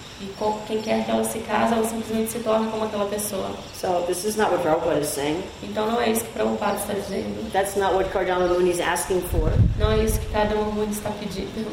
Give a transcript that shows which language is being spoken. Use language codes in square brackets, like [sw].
[pt] E quem quer que ela se case, ela simplesmente se torna como aquela pessoa. [en] So this is not what Prabhupada is saying. [pt] Então não é isso que Prabhupada está dizendo. [en] That's not what Cardano Muni is asking for. [pt] Não é isso que Cardano Muni está pedindo.